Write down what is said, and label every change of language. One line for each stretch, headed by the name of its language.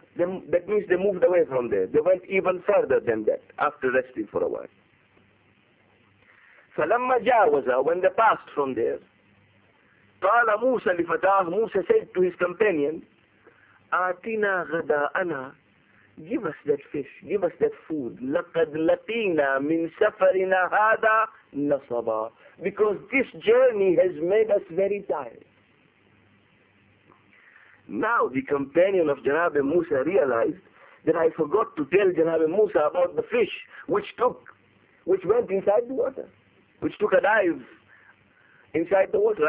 English: That means they moved away from there. They went even further than that after resting for a while.
Arabic: فلما جاوزا,
English: when they passed from there,
Arabic: قال موسى لفتاه,
English: Musa said to his companion,
Arabic: آتنا غداءنا,
English: give us that fish, give us that food.
Arabic: لقد لقينا من سفرنا هذا نصبا.
English: Because this journey has made us very tired. Now the companion of Janab Musa realized that I forgot to tell Janab Musa about the fish which went inside the water, which took a dive inside the water.